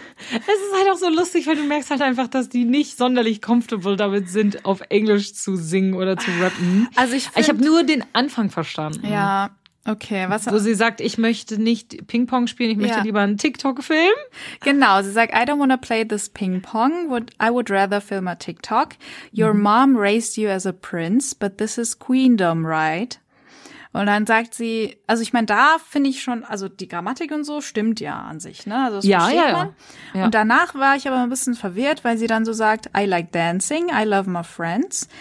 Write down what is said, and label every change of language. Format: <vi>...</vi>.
<de>Es ist halt auch so lustig, weil du merkst halt einfach, dass die nicht sonderlich comfortable damit sind, auf Englisch zu singen oder zu rappen. Also ich, ich habe nur den Anfang verstanden. Ja, okay. Was? Wo sie sagt, ich möchte nicht Ping-Pong spielen, ich möchte lieber einen TikTok-Film. Genau, sie sagt,</de> <en>I don't wanna play this Ping-Pong, I would rather film a TikTok. Your mom raised you as a prince, but this is Queendom, right?</en> <de>Und dann sagt sie, also ich meine, da finde ich schon, also die Grammatik und so stimmt ja an sich, ne? Also das versteht man. Ja. Und danach war ich aber ein bisschen verwirrt, weil sie dann so sagt,</de> <en>I like dancing, I love my friends.</en>